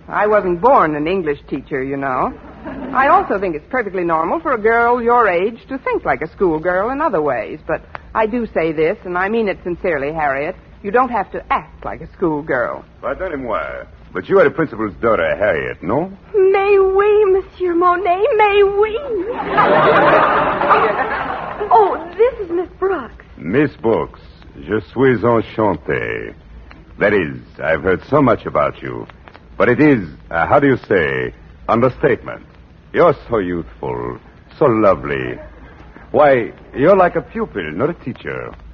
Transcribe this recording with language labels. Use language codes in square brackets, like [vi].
[en] I wasn't born an English teacher, you know. I also think it's perfectly normal for a girl your age to think like a schoolgirl in other ways. But I do say this, and I mean it sincerely, Harriet. You don't have to act like a schoolgirl. [fr] Pardon moi, [en] but you are the principal's daughter, Harriet, no? May we, Monsieur Monet, may we? Oh, this is Miss Brooks. [fr] Miss Brooks, je suis enchanté. [en] That is, I've heard so much about you. But it is, how do you say, understatement. You're so youthful, so lovely. Why, you're like a pupil, not a teacher.